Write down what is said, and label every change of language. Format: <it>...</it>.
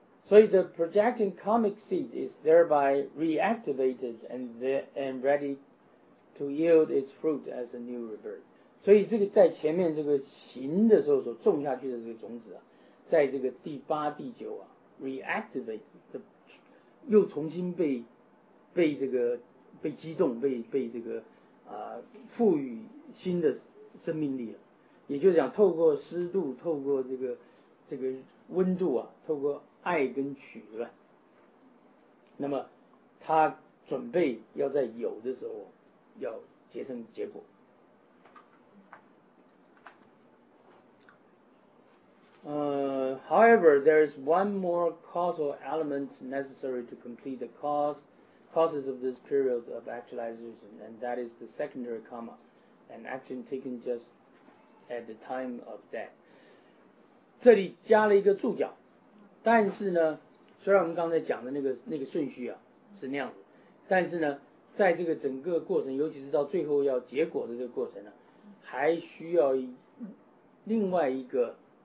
<en>So the projecting comic seed is thereby reactivated and ready to yield its fruit as a new rebirth.</en> <zh>所以这个在前面这个行的时候所种下去的这个种子啊，在这个第八第九啊 reactivate 的又重新被这个被激动被这个啊、赋予新的生命力了。也就是讲透过湿度透过这个温度啊透过爱跟取暖，那么他准备要在有的时候要结成结果。</zh> <en>However, there is one more causal element necessary to complete the causes of this period of actualization, and that is the secondary karma, an action taken just at the time of death.</en> <zh>这里加了一个注脚，但是呢，虽然我们刚才讲的那个顺序啊是那样子，但是呢，在这个整个过程，尤其是到最后要结果的这个过程呢，还需要另外一个。</zh>